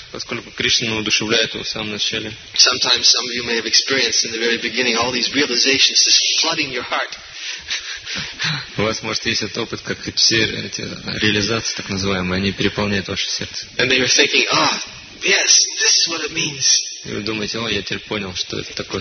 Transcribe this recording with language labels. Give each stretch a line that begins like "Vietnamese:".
Russian: Поскольку Кришна воодушевляет его в самом начале.
English: Sometimes some of you may have experienced in the very beginning all these realizations just flooding your heart.
Russian: У вас может есть этот опыт, как все эти реализации, так называемые, они переполняют ваше сердце.
English: And then you're thinking, yes, this is what it means.
Russian: И вы думаете, я теперь понял, что это такое